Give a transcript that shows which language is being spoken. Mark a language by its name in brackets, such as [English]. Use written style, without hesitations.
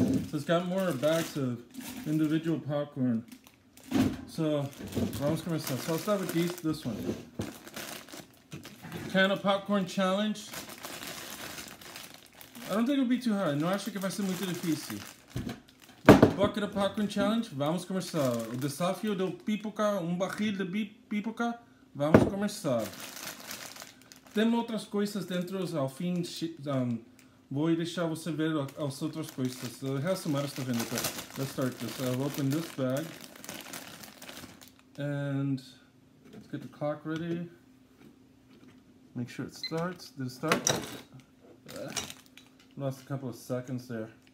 [English] So it's got more bags of individual popcorn. So, [Portuguese] vamos começar. [English] So I'll start with these, this one. Can of popcorn challenge. I don't think it'll be too hard. [Portuguese] Não acho que vai ser muito difícil. [English] Bucket of popcorn challenge. [Portuguese] Vamos começar. O desafio do pipoca. Barril de pipoca. Vamos começar. Tem outras coisas dentro. Ao fim, vou deixar você ver as outras coisas. [English] I have some other stuff in there. Let's start this. I'll open this bag. And let's get the clock ready. Make sure it starts. Did it start? Lost a couple of seconds there.